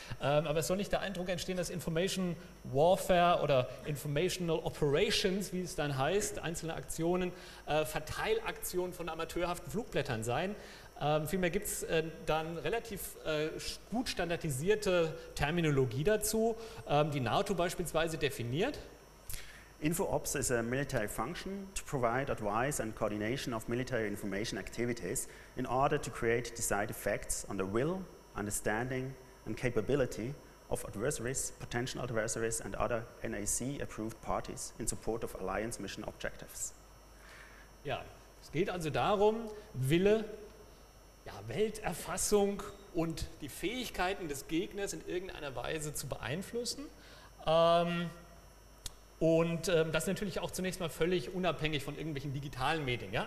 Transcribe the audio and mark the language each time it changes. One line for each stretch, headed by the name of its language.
German: Aber es soll nicht der Eindruck entstehen, dass Information Warfare oder Informational Operations, wie es dann heißt, einzelne Aktionen, Verteilaktionen von amateurhaften Flugblättern seien. Vielmehr gibt es dann relativ gut standardisierte Terminologie dazu, die NATO beispielsweise definiert.
English: InfoOps is a military function to provide advice and coordination of military information activities in order to create desired effects on the will, understanding and capability of adversaries, potential adversaries and other NAC-approved parties in support of alliance mission objectives.
German: Ja, es geht also darum, Wille, ja, Welterfassung und die Fähigkeiten des Gegners in irgendeiner Weise zu beeinflussen. Und das natürlich auch zunächst mal völlig unabhängig von irgendwelchen digitalen Medien. Ja?